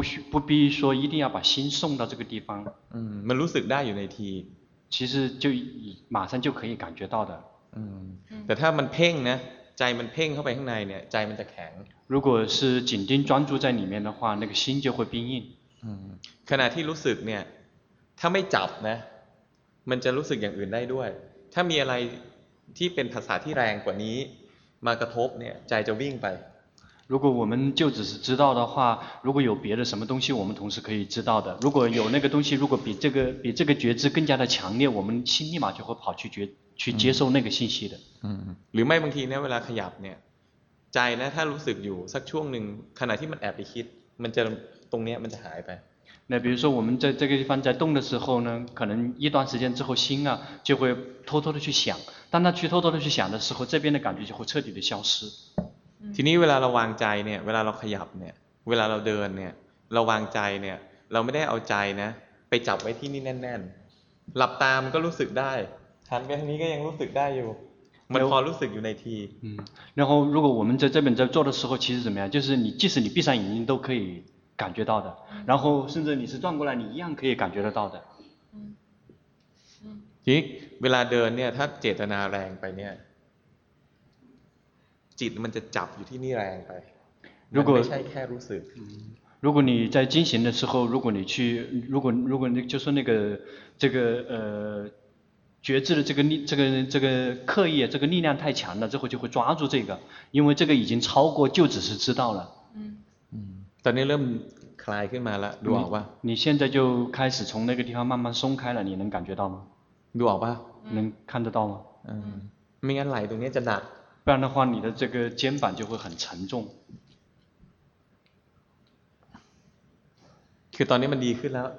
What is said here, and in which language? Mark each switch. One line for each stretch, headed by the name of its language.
Chinese: 不必说一定要把心送到这个地方
Thai: มันรู้สึกได้อยู่ในที
Chinese: 其实就马上就可以感觉到的
Thai: แต่ถ้ามันเพ่งนะใจมันเพ่งเข้าไปข้างในเนี่ยใจมันจะแข็ง
Chinese: 如果是紧盯专注在里面的话那个心就会冰硬
Thai: ขณะที่รู้สึกเนี่ยถ้าไม่จับนะมันจะรู้สึกอย่างอื่นได้ด้วยถ้ามีอะไรที่เป็นภาษาที่แรงกว่านี้มากระทบเนี่ยใจจะวิ่งไป
Chinese: 如果我们就只是知道的话如果有别的什么东西我们同时可以知道的如果有那个东西如果比这个觉知更加的强烈我们心立马就会跑去接受那个信息的
Thai: หรือไม่บางทีเนี่ยเวลาขยับเนี่ยใจนะถ้ารู้สึกอยู่สักช่วงหนึ่งขณะที่มันแอบไปคิดมันจะตรงเนี้ยมันจะหายไป
Chinese: 那比如说我们在这个地方在动的时候呢可能一段时间之后心啊就会偷偷的去想当他去偷偷的去想的时候这边的感觉就会彻底的消失
Thai: ทีนี้เวลาเราวางใจเนี่ยเวลาเราขยับเนี่ยเวลาเราเดินเนี่ยเราวางใจเนี่ยเราไม่ได้เอาใจนะไปจับไว้ที่นี่แน่นๆหลับตามันก็รู้สึกได้หันไปทางนี้ก็ยังรู้สึกได้อยู่มันพอรู้สึกอยู่ในที
Chinese: 然后如果我们在这边在做的时候其实怎么样就是你即使你闭上眼睛都可以感觉到的然后甚至你是转过来你一样可以感觉得到的
Thai: ทีเวลาเดินเนี่ยถ้าเจตนาแรงไปเนี่ยจิตมันจะจับอยู่ที่นี่แรงไป มัน ไม่ใช่แค่รู้สึก
Chinese: 如果你在进行的时候如果你去如果你就说那个这个觉知的这个刻意这个力量太强了之后就会抓住这个因为这个已经超过就只是知道了
Thai: ตอนนี้เริ่มคลายขึ้นมาแล้วดูออกป่ะ
Chinese: 你现在就开始从那个地方慢慢松开了你能感觉到吗
Thai: ดูออกป่ะ
Chinese: 能看得到吗
Thai: ไม่งั้นไหล่ตรงนี้จะหนัก บ้างนะครับ
Chinese: 你的这个肩膀就会很沉重
Thai: คือตอนนี้มันดีขึ้นแล้ว